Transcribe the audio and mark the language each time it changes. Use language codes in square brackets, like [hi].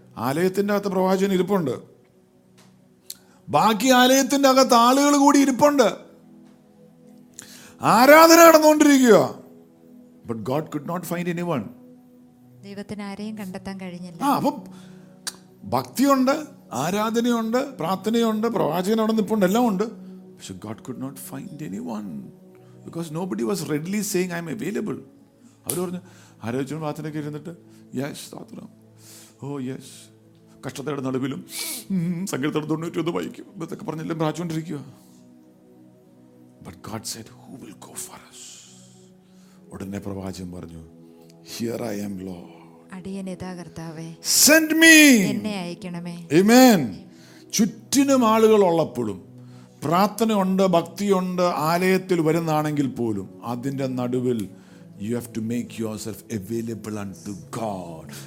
[ml] ആലയത്തിൻ്റെ അകത്ത് പ്രവാചകൻ ഇരിപ്പുണ്ട്, ബാക്കി ആലയത്തിൻ്റെ അകത്ത് ആളുകൾ കൂടി ഇരിപ്പുണ്ട്, ആരാധന നടന്നുകൊണ്ടിരിക്കുക. [en] But God could not find anyone. [ml] ദൈവത്തിന് ആരെയും കണ്ടെത്താൻ കഴിഞ്ഞില്ല. അപ്പം ഭക്തിയുണ്ട്, ആരാധനയുണ്ട്, പ്രാർത്ഥനയുണ്ട്, പ്രവാചകൻ അവിടെ നിൽപ്പുണ്ട്, എല്ലാം ഉണ്ട്. പക്ഷേ [en] God could not find anyone. Because nobody was readily saying, I am available. [ml] അവർ പറഞ്ഞു, ആരോചന പ്രാർത്ഥനയ്ക്ക് ഇരുന്നിട്ട്, യെസ് സ്തോത്രം, ഓ യെസ്, കഷ്ടതയുടെ നടുവിലും സങ്കീർത്തനം 90 വായിക്കും ഇതൊക്കെ പറഞ്ഞെല്ലാം പ്രാർത്ഥിച്ചുകൊണ്ടിരിക്കുക. [en] But God said, who will go for us? [ml] ഉടനെ പ്രവാചകൻ പറഞ്ഞു, [en] Here I am, Lord. [ml] അടിയനേതാ കർത്താവേ, [en] Send me. [ml] എന്നെ അയക്കണമേ. [en] Amen. [ml] ചുറ്റിനും ആളുകൾ ഉള്ളപ്പോഴും പ്രാർത്ഥന ഉണ്ട്, ഭക്തിയുണ്ട്, ആലയത്തിൽ വരുന്നാണെങ്കിൽ പോലും അതിൻ്റെ നടുവിൽ [en] You have to make yourself available unto God.